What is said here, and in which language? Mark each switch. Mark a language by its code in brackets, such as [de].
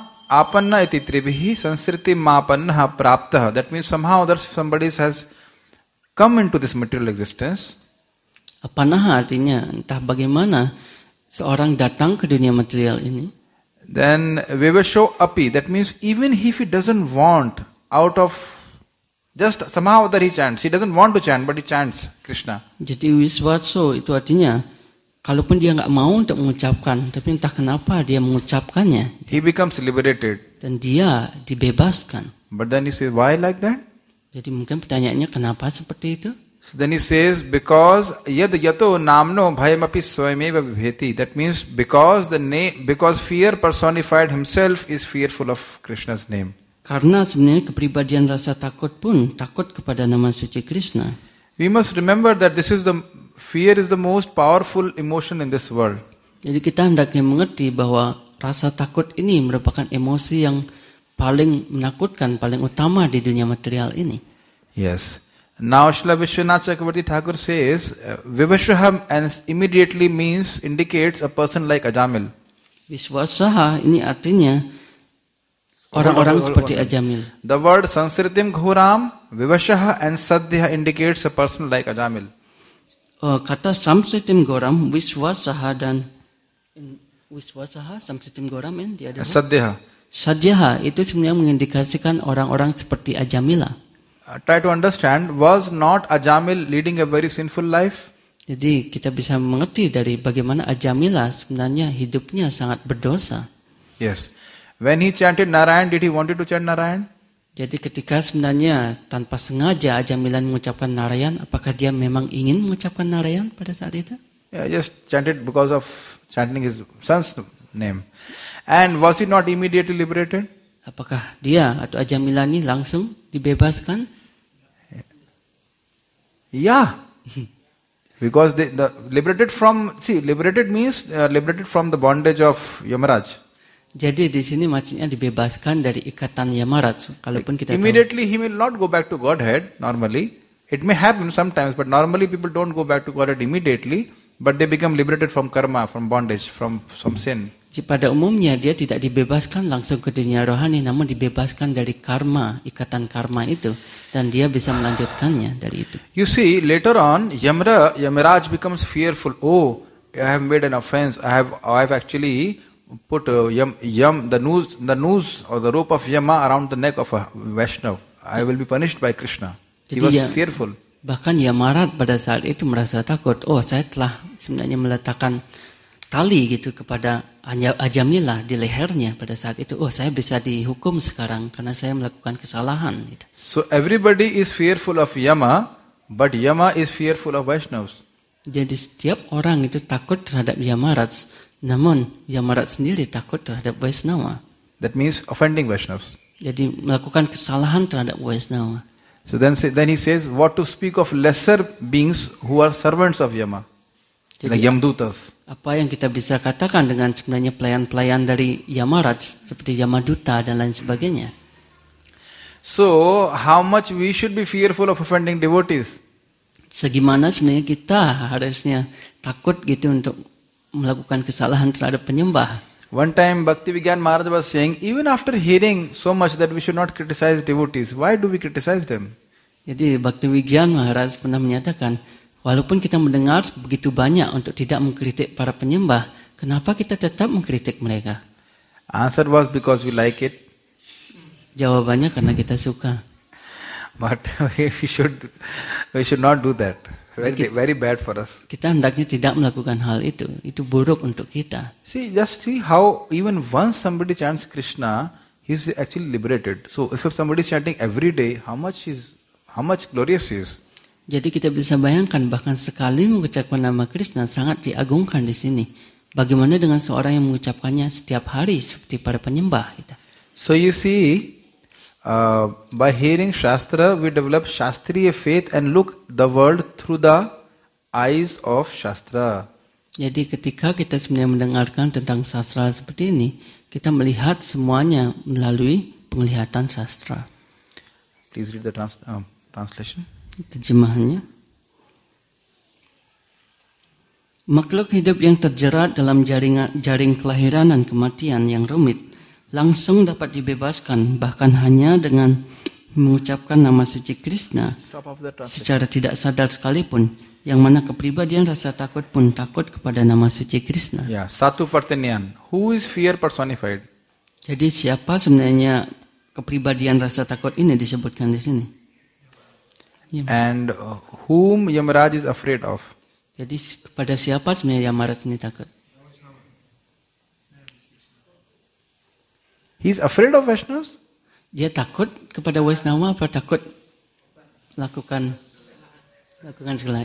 [sa] Apanna iti tribhi sanskriti mapanna prapta. [en] That means somehow that somebody has come into this material existence. [id] Apanna artinya entah bagaimana seorang datang ke dunia material ini. [sa] Then vivasho api. [en] That means even if he doesn't want out of just somehow that he chants. He doesn't want to chant, but he chants Krishna. [id] Jadi wiswaso itu artinya kalaupun dia enggak mau untuk mengucapkan, tapi entah kenapa dia mengucapkannya. [en] He becomes liberated. [id] Dan dia dibebaskan. [en] But then he says, why like that? [id] Jadi mungkin pertanyaannya kenapa seperti itu? [en] So then he says, because [sa] yad yato namno bhayamapi swayameva vibheti. [en] That means because fear personified himself is fearful of Krishna's name. [id] Karena sebenarnya kepribadian rasa takut pun takut kepada nama suci Krishna. [en] We must remember that this is the fear is the most powerful emotion in this world. [id] Jadi kita hendaknya mengerti bahwa rasa takut ini merupakan emosi yang paling menakutkan, paling utama di dunia material ini. [en] Yes. Now Srila Vishwanath Chakravarti Thakur says vivashaha immediately means indicates a person like Ajamil. [id] Vishwasaha ini artinya orang-orang seperti Ajamil. [en] The word sanskritim ghoram, vivashaha and sadhya indicates a person like Ajamil. [id] Kata sanskritim ghoram, vishwasaha dan vishwasaha, sanskritim ghoram [en] and the other [sa] sadhya. [id] Sadhya itu sebenarnya mengindikasikan orang-orang seperti Ajamila. [en] Try to understand, was not Ajamil leading a very sinful life? [id] Jadi kita bisa mengerti dari bagaimana Ajamila sebenarnya hidupnya sangat berdosa. [en] Yes. When he chanted Narayan, did he wanted to chant Narayan? [id] Jadi ketika sebenarnya tanpa sengaja Ajamilan mengucapkan Narayan, apakah dia memang ingin mengucapkan Narayan pada saat itu? [en] Yeah, just chanted because of chanting his son's name. And was he not immediately liberated? [id] Apakah dia atau Ajamilani langsung dibebaskan? [en] Yeah. Because liberated from the bondage of Yamaraj. [id] Jadi di sini maksudnya dibebaskan dari ikatan Yamaraj. Kalaupun kita [en] immediately [id] tahu, [en] he will not go back to Godhead normally. It may happen sometimes, but normally people don't go back to Godhead immediately, but they become liberated from karma, from bondage, from some sin. [id] Pada umumnya dia tidak dibebaskan langsung ke dunia rohani, namun dibebaskan dari karma, ikatan karma itu, dan dia bisa melanjutkannya dari itu. [en] You see, later on Yamaraj becomes fearful. Oh, I have made an offense. I have actually put the noose or the rope of Yama around the neck of a Vaishnava. I will be punished by Krishna. He was fearful. [id] Bahkan Yamaraj pada saat itu merasa takut. Oh, saya telah sebenarnya meletakkan tali gitu kepada ajamilah di lehernya pada saat itu, oh saya bisa dihukum sekarang karena saya melakukan kesalahan. [en] So everybody is fearful of Yama, but Yama is fearful of Vaishnavas. [id] Jadi setiap orang itu takut terhadap Yamaraj, namun Yamaraj sendiri takut terhadap Vaishnava. [en] That means offending Vaishnavas. [id] Jadi melakukan kesalahan terhadap Vaishnava. [en] So then he says, what to speak of lesser beings who are servants of Yama? Jadi, like Yamdutas. [id] Apa yang kita bisa katakan dengan sebenarnya pelayan-pelayan dari Yamaraj seperti Yamaduta dan lain sebagainya? [en] So how much we should be fearful of offending devotees? [id] Segimana sebenarnya kita harusnya takut gitu untuk melakukan kesalahan terhadap penyembah. [en] One time Bhakti Vigyan Maharaj was saying, even after hearing so much that we should not criticize devotees, why do we criticize them? [id] Jadi Bhakti Vigyan Maharaj pernah menyatakan, walaupun kita mendengar begitu banyak untuk tidak mengkritik para penyembah, kenapa kita tetap mengkritik mereka? [en] Answer was because we like it. [id] Jawabannya karena kita suka. [en] But we should not do that. Very bad for us. [id] Kita hendaknya tidak melakukan hal itu. Itu buruk untuk kita. [en] See, just see how even once somebody chants Krishna, he is actually liberated. So if somebody is chanting every day, how much glorious he is. [id] Jadi kita bisa bayangkan bahkan sekali mengucapkan nama Krishna sangat diagungkan di sini. Bagaimana dengan seorang yang mengucapkannya setiap hari seperti para penyembah kita? [en] So you see, by hearing Shastra, we develop Shastriya faith and look the world through the eyes of Shastra. [id] Jadi ketika kita sebenarnya mendengarkan tentang Shastra seperti ini, kita melihat semuanya melalui penglihatan Shastra. [en] Please read the translation. [id] Terjemahannya. Makhluk hidup yang terjerat dalam jaring kelahiran dan kematian yang rumit langsung dapat dibebaskan bahkan hanya dengan mengucapkan nama suci Krishna secara tidak sadar sekalipun, yang mana kepribadian rasa takut pun takut kepada nama suci Krishna. Ya, satu pertanyaan, [en] who is fear personified? [id] Jadi siapa sebenarnya kepribadian rasa takut ini disebutkan di sini? [en] And whom Yamaraj is afraid of? [id] Jadi kepada siapa sebenarnya Yamaraj ini takut? [en] He is afraid of Vaishnavas? [id] Dia takut kepada Vaishnava atau takut lakukan segala.